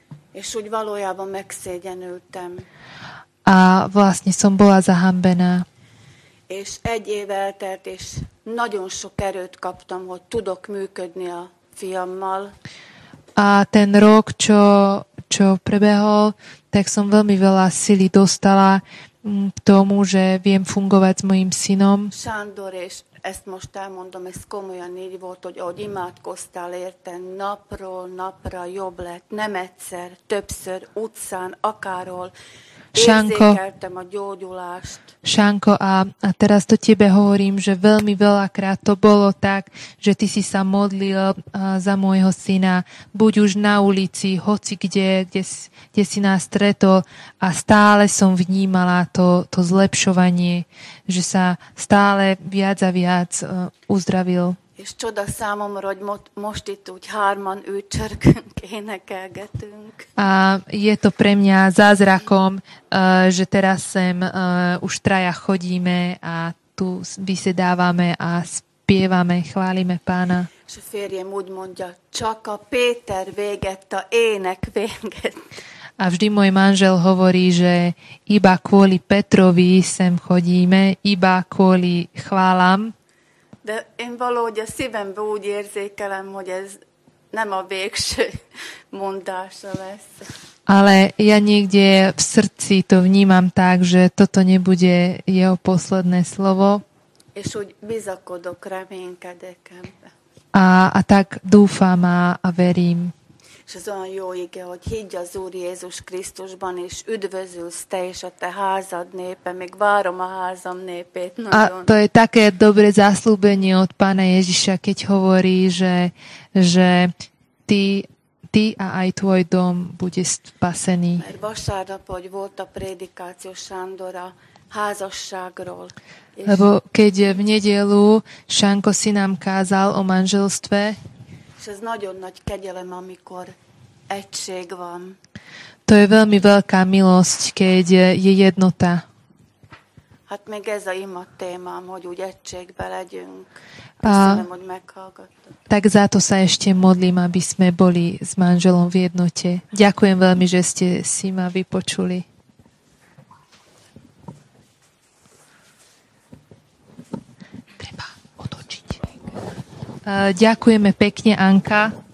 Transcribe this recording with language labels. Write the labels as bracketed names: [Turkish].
[Hungarian] És úgy valójában megszégyenültem. [Slovak] A vlastne som bola zahambená. [Hungarian] És egy év eltelt, és nagyon sok erőt kaptam, hogy tudok működni a fiammal. [Slovak] A ten rok, čo prebehol, tak som veľmi veľa sily dostala k tomu, že viem fungovať s mojim synom. [Hungarian] Sándor, és ezt most elmondom, ez komolyan így volt, hogy ahogy imádkoztál érte, napról napra jobb lett, nem egyszer, többször, utcán, akárhol érzékeltem a gyógyulást. [Slovak] Sánko, a teraz to tebe hovorím, že veľmi veľakrát to bolo tak, že ty si sa modlil za môjho syna, buď už na ulici, hoci kde si nás stretol, a stále som vnímala to zlepšovanie, že sa stále viac a viac uzdravil. [Hungarian] És csoda számomra, hogy most itt úgy hárman ücsörgünk, énekelgetünk. [Slovak] A je to pre mňa zázrakom, že teraz sem už traja chodíme a tu vysedávame a spievame, chválime pána. [Hungarian] És a férjem úgy mondja, csak a Péter végett a ének véget. [Slovak] A vždy môj manžel hovorí, že iba kvôli Petrovi sem chodíme, iba kvôli chválam. [Hungarian] De én valahogy a szívembe úgy érzékelem, hogy ez nem a végső mondása lesz. [Slovak] Ale ja niekde v srdci to vnímam tak, že toto nebude jeho posledné slovo. [Hungarian] És úgy bizakodok, reménykedek ebben. [Slovak] A tak dúfam a verím. [Hungarian] És az olyan jó ige, hogy higgy az Úr Jézus Krisztusban, és üdvözülsz te és a te házad népe, még várom a házam népét. Nagyon. [Slovak] A to je také dobré zaslúbenie od Pána Ježiša, keď hovorí, že ty a aj tvoj dom bude spasený. [Hungarian] Mert vasárnap, hogy volt a prédikáció Sándora házasságról. [Slovak] Lebo keď v nedelu Šanko si nám kázal o manželstve, [Hungarian] és ez nagyon nagy kegyelem, amikor egység van. [Slovak] To je veľmi veľká milosť, keď je jednota. [Hungarian] Hát még ez a ima témám, hogy úgy egységbe legyünk. Köszönöm, hogy meghallgattam. [Slovak] Tak za to sa ešte modlím, aby sme boli s manželom v jednote. Ďakujem veľmi, že ste si ma vypočuli. Treba otočiť. Ďakujeme pekne, Anka.